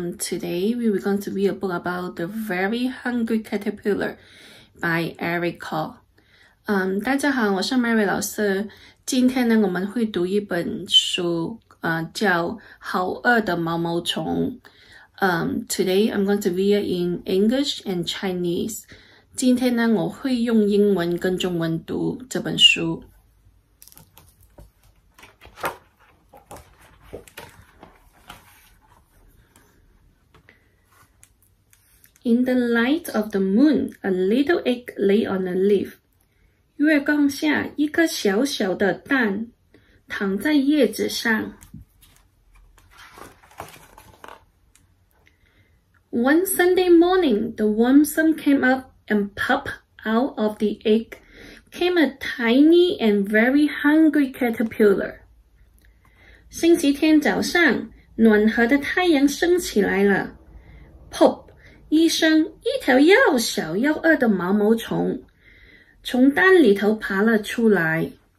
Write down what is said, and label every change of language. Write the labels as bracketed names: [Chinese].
[English] Today we are going to read a book about The Very Hungry Caterpillar by Eric Carle. [Chinese] 大家好，我是 Mary 老师。今天呢，我们会读一本书，叫《好饿的毛毛虫》。 [English] Today I'm going to read in English and Chinese. [Chinese] 今天呢，我会用英文跟中文读这本书。 [English] In the light of the moon, a little egg lay on a leaf. [Chinese] 月光下，一颗小小的蛋躺在叶子上。 [English] One Sunday morning, the worm came up and popped out of the egg came a tiny and very hungry caterpillar. [Chinese] 星期天早上，暖和的太阳升起来了。 Pop! 医生，一条又小又饿的毛毛虫从蛋里头爬了出来。